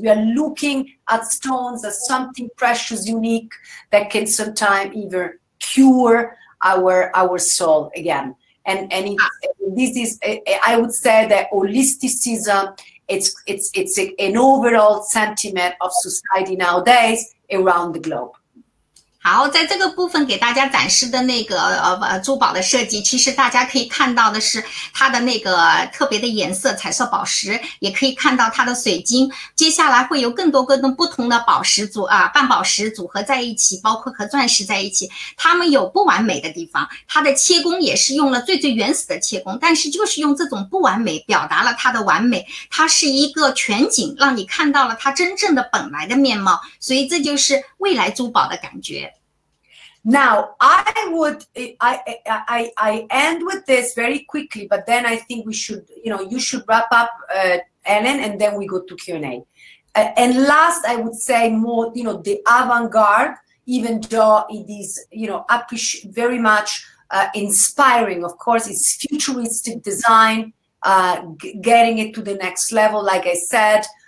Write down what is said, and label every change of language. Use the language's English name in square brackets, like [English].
[English] We are looking at stones as something precious, unique, that can sometimes even cure our soul again. And this is, I would say that holisticism, it's an overall sentiment of society nowadays around the globe. [Chinese] 好，在这个部分给大家展示的那个珠宝的设计，其实大家可以看到的是它的那个特别的颜色，彩色宝石，也可以看到它的水晶。接下来会有更多各种不同的宝石组啊，半宝石组合在一起，包括和钻石在一起，它们有不完美的地方。它的切工也是用了最最原始的切工，但是就是用这种不完美表达了它的完美。它是一个全景，让你看到了它真正的本来的面貌。所以这就是未来珠宝的感觉。 [English] Now, I end with this very quickly, but then I think we should, you know, you should wrap up, Helen, and then we go to Q&A. And last, I would say more, you know, the avant-garde, even though it is, you know, very much inspiring, of course, it's futuristic design, getting it to the next level, like I said.